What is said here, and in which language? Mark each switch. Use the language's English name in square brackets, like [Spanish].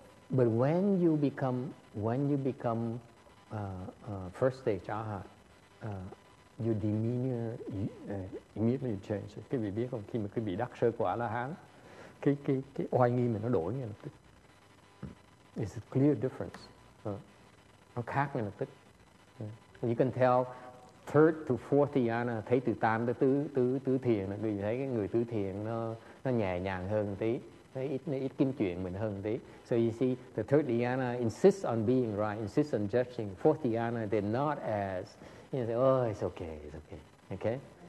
[English] But when you become first stage arhat, your demeanor immediately changes. [Vietnamese] Quý vị biết không? Khi mà quý vị đắc sơ quả la hán, cái oai nghi mình nó đổi ngay lập tức. [English] It's a clear difference. [Vietnamese] Nó khác ngay lập tức. [English] You can tell third to fourth dhyana, [Vietnamese] thấy từ tam tới tứ tứ tứ thiền, quý vị thấy cái người tứ thiền nó nhẹ nhàng hơn tí, thấy ít nó ít kiếm chuyện mình hơn tí. [English] So you see, the third dhyana insists on being right, insists on judging. Fourth dhyana, they're not as, you know, say, oh, it's okay, it's okay, okay.